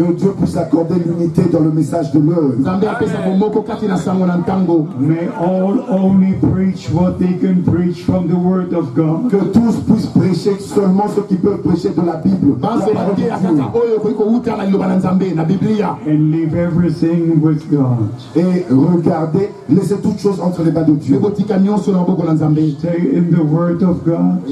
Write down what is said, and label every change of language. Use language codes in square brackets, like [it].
[fr] Que Dieu puisse accorder l'unité dans le message de l'heure. [en] May all only preach what they can preach from the word of God. [fr] Que tous puissent prêcher seulement ce qu'ils peuvent prêcher de la Bible. [en] And leave everything with God. [fr] Et regardez, laissez toutes choses entre les mains de Dieu. [en] Stay in the word of God.